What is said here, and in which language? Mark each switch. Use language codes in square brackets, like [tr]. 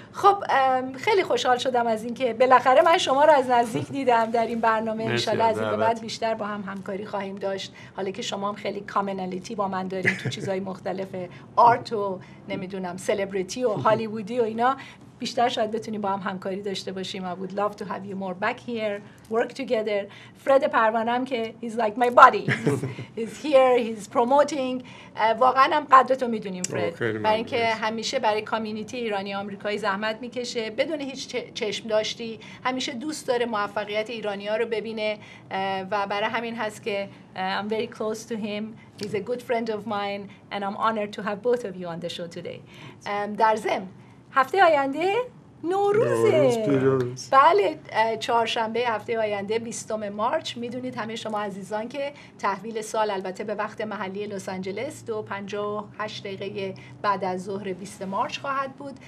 [fa] خب خیلی خوشحال شدم از اینکه بالاخره من شما رو از نزدیک دیدم در این برنامه. ان شاءالله از این به بعد بیشتر با هم همکاری خواهیم داشت، حالا که شما هم خیلی کامنالیتی با من دارین تو چیزهای مختلف آرت و نمیدونم سلبریتی و هالیوودی و اینا، بیشتر شاید بتونیم با هم همکاری داشته باشیم. [en] I would love to have you more back here, work together. [fa] فرد پروانه هم که [en] he's like my buddy, he's here, he's promoting. [fa] واقعا هم قدرتو میدونیم فرد، برای اینکه همیشه برای کامیونیتی ایرانی آمریکایی زحمت میکشه بدون هیچ چشم داشتی، همیشه دوست داره موفقیت ایرانی ها رو ببینه و برای همین هست که [en] I'm very close to him. He's a good friend of mine and I'm honored to have both of you on the show today. [fa] در ضمن هفته آینده نوروزه. بله، چهارشنبه هفته آینده 20 مارچ میدونید همه شما عزیزان که تحویل سال البته به وقت محلی لس آنجلس 2:58 دقیقه بعد از ظهر 20 مارچ خواهد بود.